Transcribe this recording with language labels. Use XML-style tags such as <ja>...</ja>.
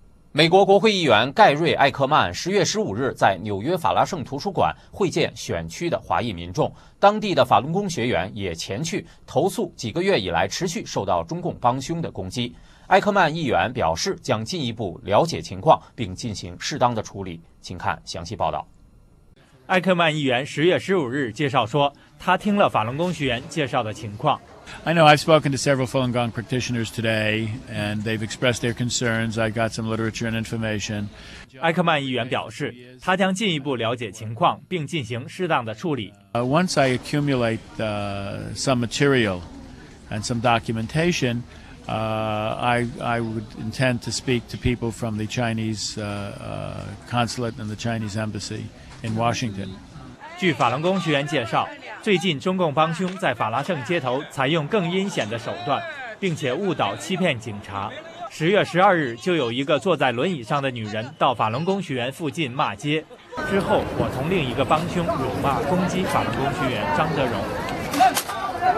<zh>美国国会议员盖瑞·艾克曼10月15日在纽约法拉盛图书馆会见选区的华裔民众，当地的法轮功学员也前去投诉几个月以来持续受到中共帮凶的攻击。艾克曼议员表示将进一步了解情况并进行适当的处理，请看详细报道。艾克曼议员10月15日介绍说，他听了法轮功学员介绍的情况，</zh> <en>I know I've spoken to several Falun Gong practitioners today, and they've expressed their concerns. I got some literature and information.</en> <zh>埃克曼议员表示，他将进一步了解情况，并进行适当的处理。</zh> <en>Once I accumulate some material and some documentation, I would intend to speak to people from the Chinese consulate and the Chinese embassy in Washington.</en> <zh>据法轮功学员介绍，最近中共帮凶在法拉盛街头采用更阴险的手段，并且误导欺骗警察。 10月12日，就有一个坐在轮椅上的女人到法轮功学员附近骂街。之后，我同另一个帮凶辱骂、攻击法轮功学员张德荣。</zh>